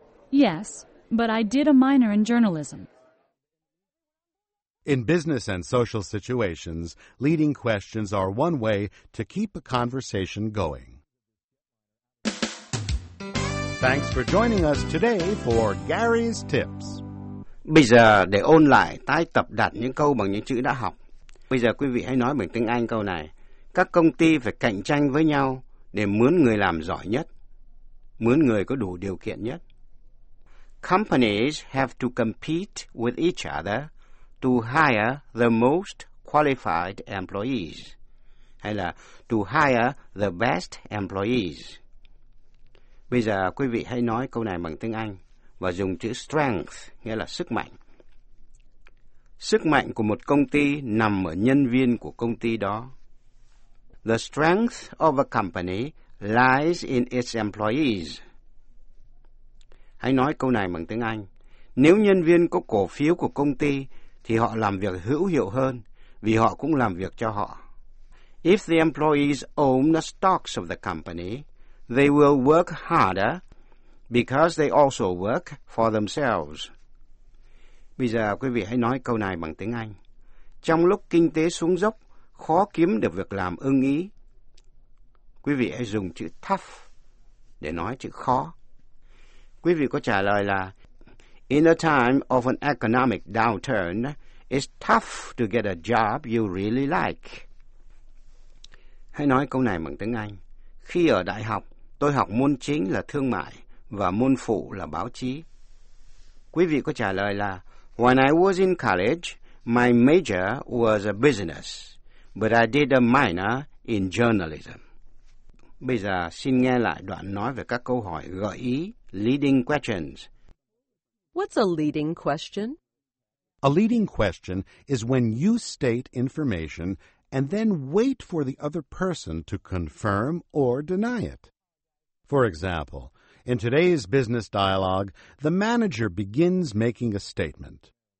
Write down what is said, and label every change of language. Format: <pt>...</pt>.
<en>Yes, but I did a minor in journalism. In business and social situations, leading questions are one way to keep a conversation going. Thanks for joining us today for Gary's Tips.</en> <vi>Bây giờ để ôn lại, tái tập đặt những câu bằng những chữ đã học. Bây giờ quý vị hãy nói bằng tiếng Anh câu này. Các công ty phải cạnh tranh với nhau để mướn người làm giỏi nhất, mướn người có đủ điều kiện nhất.</vi> <en>Companies have to compete with each other to hire the most qualified employees,</en> <vi>hay là</vi> <en>to hire the best employees.</en> <vi>Bây giờ quý vị hãy nói câu này bằng tiếng Anh và dùng chữ strength, nghĩa là sức mạnh. Sức mạnh của một công ty nằm ở nhân viên của công ty đó.</vi> <en>The strength of a company lies in its employees.</en> <vi>Hãy nói câu này bằng tiếng Anh. Nếu nhân viên có cổ phiếu của công ty thì họ làm việc hữu hiệu hơn vì họ cũng làm việc cho họ.</vi> <en>If the employees own the stocks of the company, they will work harder because they also work for themselves.</en> <vi>Bây giờ quý vị hãy nói câu này bằng tiếng Anh. Trong lúc kinh tế xuống dốc, khó kiếm được việc làm ưng ý. Quý vị hãy dùng chữ tough để nói chữ khó. Quý vị có trả lời là</vi> <en>in a time of an economic downturn, it's tough to get a job you really like.</en> <vi>Hãy nói câu này bằng tiếng Anh. Khi ở đại học, tôi học môn chính là thương mại và môn phụ là báo chí. Quý vị có trả lời là</vi> <en>when I was in college, my major was a business, but I did a minor in journalism.</en> <vi>Bây giờ xin nghe lại đoạn nói về các câu hỏi gợi ý, leading questions.</vi> <en>What's a leading question? A leading question is when you state information and then wait for the other person to confirm or deny it. For example, in today's business dialogue, the manager begins making a statement</en>